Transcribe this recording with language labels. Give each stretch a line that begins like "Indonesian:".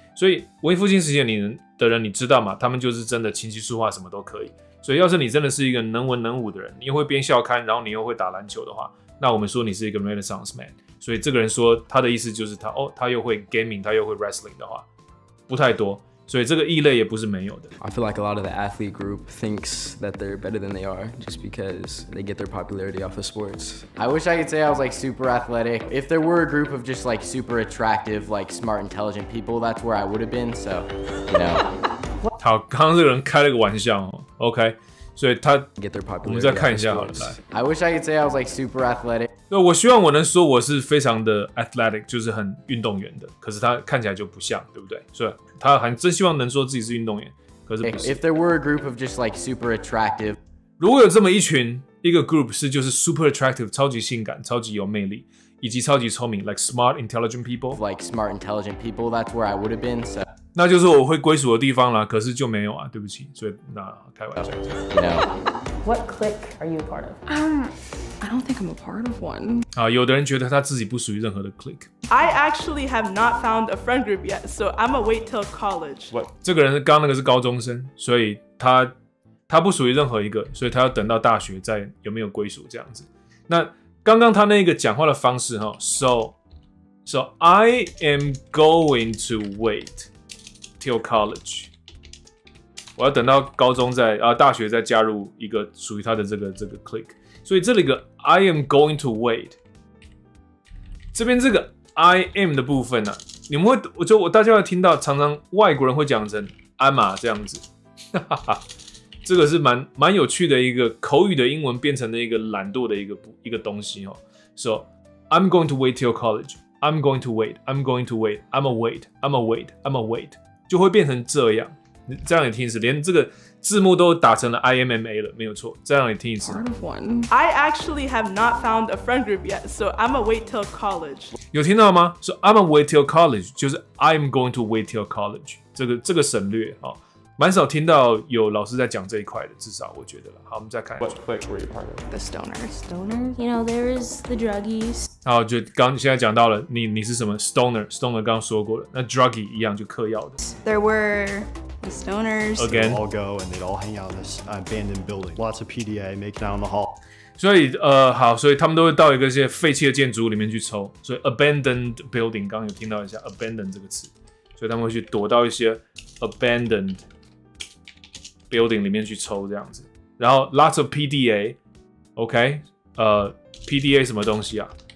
Chinese: 所以文艺复兴时期的人，你知道吗？他们就是真的琴棋书画什么都可以。所以要是你真的是一个能文能武的人，你又会编校刊，然后你又会打篮球的话，那我们说你是一个 Renaissance man。所以这个人说他的意思就是他哦，他又会 gaming， 他又会 wrestling 的话，不太多。所以这个异类也不是没有的。
English: I feel like a lot of the athlete group thinks that they're better than they are just because they get their popularity off of sports. I wish I could say I was like super athletic. If there were a group of just like super attractive, like smart, intelligent people, that's where I would have been. So, you know.
Chinese: 好，刚刚这个人开了个玩笑哦。 OK， 所以他
English: get their popularity
Chinese: 我们再看一下好了。来
English: ，I wish I could say I was like super athletic.
Chinese: 对，我希望我能说我是非常的 athletic， 就是很运动员的。可是他看起来就不像，对不对？所以。他很真希望能说自己是运动员，可是不是。
English: If there were a group of just like super attractive，
Chinese: 如果有这么一群一个 group 是就是 super attractive， 超级性感、超级有魅力，以及超级聪明 ，
English: like smart intelligent people， like smart intelligent people， that's where I would have been。 So，
Chinese: 那就是我会归属的地方啦。可是就没有啊，对不起，所以那开玩笑。
English: No. What clique are you a part of？ I don't think I'm a part of one.
Chinese: 啊，有的人觉得他自己不属于任何的 clique。
English: I actually have not found a friend group yet, so I'm gonna wait till college. What？
Chinese: 这个人刚刚那个是高中生，所以他不属于任何一个，所以他要等到大学再有没有归属这样子。那刚刚他那个讲话的方式哈 ，
English: so I am going to wait till college。
Chinese: 我要等到高中再大学再加入一个属于他的这个 clique。所以这里个
English: I am going to wait，
Chinese: 这边这个 I am 的部分呢、啊，你们会就我大家会听到，常常外国人会讲成 I'm 啊这样子，哈哈，这个是蛮有趣的一个口语的英文变成的一个懒惰的一个东西哦。
English: So I'm going to wait till college. I'm going to wait. I'm going to wait. I'm a wait. I'm a wait. I'm a wait.
Chinese: 就会变成这样，这样也听是连这个字幕都打成了 IMMA 了，没有错。再让你听一次。
English: Part of one. I actually have not found a friend group yet, so I'm gonna wait till college.
Chinese: 有听到吗？说、
English: so、I'm gonna wait till college， 就是 I'm going to wait till college。
Chinese: 这个省略啊，蛮少听到有老师在讲这一块的，至少我觉得了。好，我们再看一下。
English: What clique were you part of? The stoner. Stoner. You know, there is the druggies.
Chinese: 好，就刚现在讲到了，你是什么 stoner？ Stoner 刚刚说过了，那 druggie 一样就嗑药的。
English: There were. The stoners again. All go and they'd all hang out in this abandoned building. Lots of PDA making out in the hall.
Chinese: 所以好，所以他们都会到一个些废弃的建筑里面去抽。所以 abandoned building， 刚刚有听到一下 abandoned 这个词，所以他们会去躲到一些 abandoned building 里面去抽这样子。然后
English: lots of PDA，
Chinese: OK， PDA 什么东西啊？